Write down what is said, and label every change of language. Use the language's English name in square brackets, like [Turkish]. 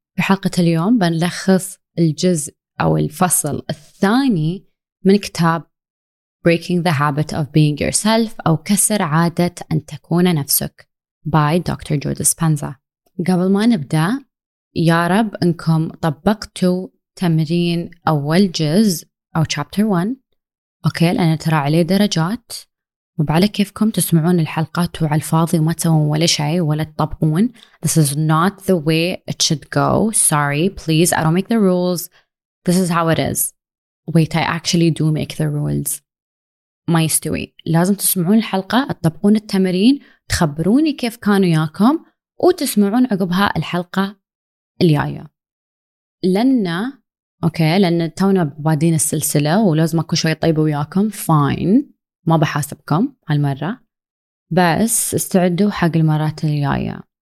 [Arabic] في حلقه اليوم بنلخص الجزء او الفصل الثاني من كتاب Breaking the Habit of Being Yourself او كسر عاده ان تكون نفسك باي دكتور جو ديسبنزا. قبل ما نبدا، يا رب انكم طبقتوا تمرين اول جزء أو chapter 1، أوكي، لأن ترى عليه درجات، وبعلى كيفكم تسمعون الحلقات وعلى الفاضي وما تسوون ولا شيء ولا تطبقون. [English] This is not the way it should go. Sorry, please, I don't make the rules. This is how it is. Wait, I actually do make the rules. [Arabic] ما يستوي. لازم تسمعون الحلقة، تطبقون التمرين، تخبروني كيف كانوا ياكم، وتسمعون عقبها الحلقة الجاية. لأن تونا بادين السلسلة ولازم أكون شوي طيبة وياكم، فاين، ما بحاسبكم هالمرة، بس استعدوا حق المرات الجاية.